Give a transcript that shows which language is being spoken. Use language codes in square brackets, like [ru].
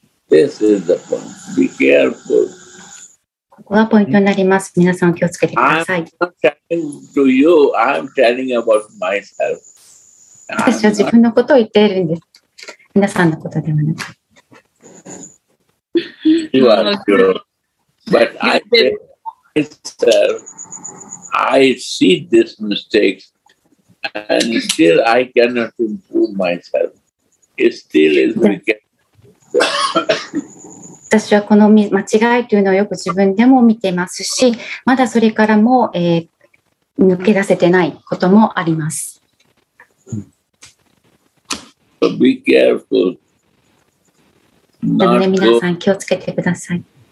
[en] This is the point. Be careful. [ja] ここがポイントになります。皆さん気をつけてください。 [en] I'm not telling to you. I'm telling about myself. [ja] 私は自分のことを言っているんです。皆さんのことではなく。 [en] You are true. But I tell myself, I see these mistakes. And still, I cannot improve myself. It still is wicked. [ja] 私はこの間違いというのをよく自分でも見てますし、まだそれからも、抜け出せてないこともあります。 [en] Be careful. [ja] なので皆さん気をつけてください。